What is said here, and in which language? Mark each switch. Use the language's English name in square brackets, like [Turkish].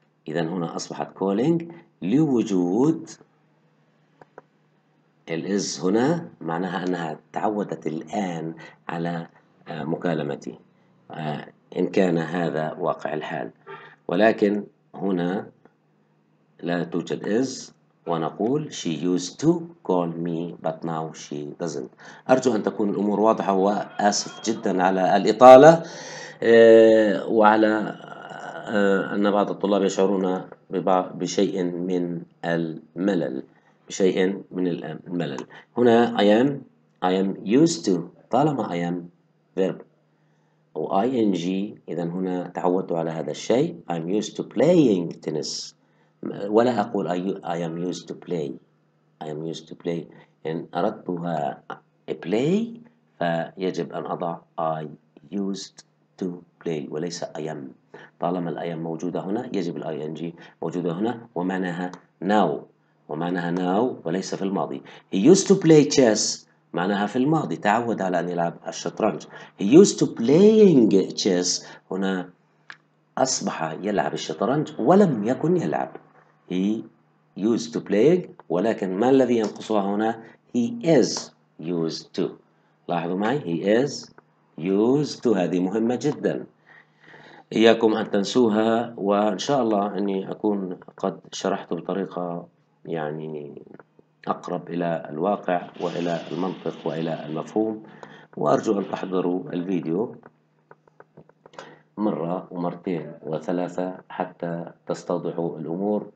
[Arabic] إذا هنا أصبحت calling لوجود الـ is هنا، معناها أنها تعودت الآن على مكالمتي إن كان هذا واقع الحال، ولكن هنا لا توجد is ونقول [English] she used to call me but now she doesn't. [Arabic] أرجو أن تكون الأمور واضحة وآسف جدا على الإطالة وعلى أن بعض الطلاب يشعرون بشيء من الملل، شيء من الملل. هنا I am، I am used to. طالما I am verb أو ing، إذن هنا تعودت على هذا الشيء. [English] I'm used to playing tennis. [Arabic] ولا أقول [English] I am used to play. I am used to play. [Arabic] إن أردتها play فيجب أن أضع I used to play وليس I am. طالما الـ I am موجودة هنا يجب الـ ing موجودة هنا ومعناها now، ومعناها now وليس في الماضي. [English] He used to play chess، [Arabic] معناها في الماضي، تعود على أن يلعب الشطرنج. [English] He used to playing chess، [Arabic] هنا أصبح يلعب الشطرنج ولم يكن يلعب. [English] He used to play، [Arabic] ولكن ما الذي ينقصها هنا؟ [English] He is used to. [Arabic] لاحظوا معي، He is used to. هذه مهمة جدا، إياكم أن تنسوها، وإن شاء الله أني أكون قد شرحت بطريقة يعني أقرب إلى الواقع وإلى المنطق وإلى المفهوم. وأرجو أن تحضروا الفيديو مرة ومرتين وثلاثة حتى تستوضحوا الأمور.